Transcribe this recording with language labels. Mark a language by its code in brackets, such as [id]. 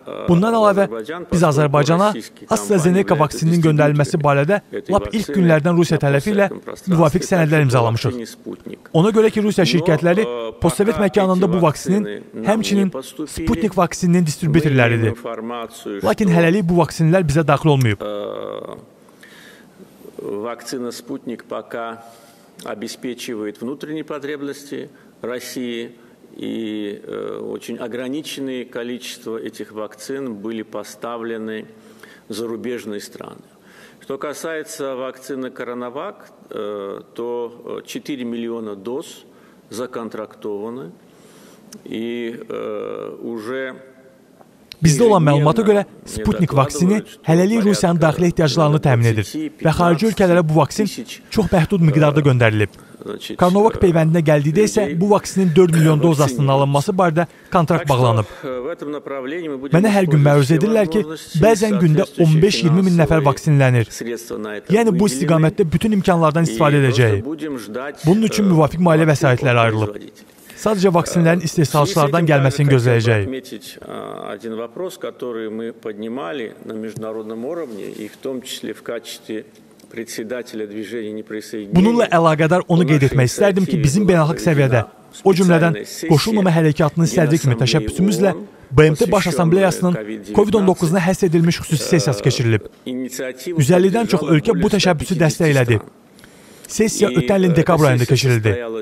[az] Bundan əlavə, biz Azərbaycana AstraZeneca vaksininin göndərilməsi barədə lap ilk günlərdən Rusiya tələfi ilə müvafiq sənədlər imzalamışıq. Ona görə ki, Rusiya şirkətləri postsovet məkanında bu vaksinin, həmçinin Sputnik vaksininin distribütörləridir. Lakin hələlik bu vaksinlər bizə daxil olmayıb. [ru] Vaksina Sputnik пока обеспечивает внутренние потребности России и очень ограниченное количество этих вакцин были поставлены зарубежные страны. Что касается вакцины CoronaVac, то 4 миллиона доз законтрактованы и уже... [az] Bizdə olan məlumata görə, Sputnik vaksini hələlik Rusiyanın daxili ehtiyaclarını təmin edir və xarici ölkələrə bu vaksin çox məhdud miqdarda göndərilib. CoronaVac peyvəndinə gəldiyidə isə bu vaksinin 4 milyon dozasının alınması barədə kontrakt bağlanıb. Mənə hər gün məruz edirlər ki, bəzən gündə 15-20 min nəfər vaksinlənir. Yəni, bu istiqamətdə bütün imkanlardan istifadə edəcəyik. Bunun üçün müvafiq maliyyə vəsaitləri ayrılıb. Sadəcə vaksinlərin istehsalçılardan gəlməsini gözləyəcək. [ru] Один вопрос, который мы поднимали на международном уровне и в том числе в качестве председателя движения неприсоединения. [az] Bununla əlaqədar onu qeyd etmək istərdim ki, bizim beynəlxalq səviyyədə O cümlədən qoşulmama hərəkatını istədikmi təşəbbüsümüzlə BMT Baş Assambleyasının COVID-19'una həsr edilmiş xüsusi sesiyası keçirilib. 150'dən çox ölkə bu təşəbbüsü dəstək elədi. Sesiya ötən ilin dekabr ayında keçirildi.